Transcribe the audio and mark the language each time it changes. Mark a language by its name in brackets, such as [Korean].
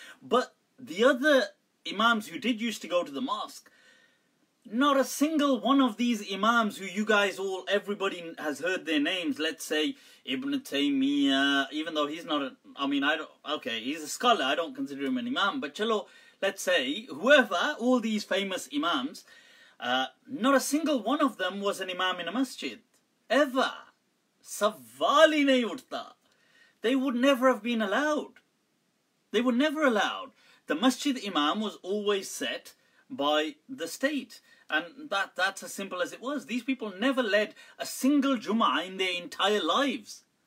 [English] But the other imams who did used to go to the mosque, not a single one of these imams who you guys all, everybody has heard their names, let's say Ibn Taymiyyah, even though he's not he's a scholar, I don't consider him an imam, but chalo, let's say, whoever, all these famous imams, not a single one of them was an imam in a masjid, ever. [Hindi] सवाली नहीं उठ्ठा. [English] They would never have been allowed. They were never allowed. The masjid imam was always set by the state. And that's as simple as it was. These people never led a single Jum'ah in their entire lives.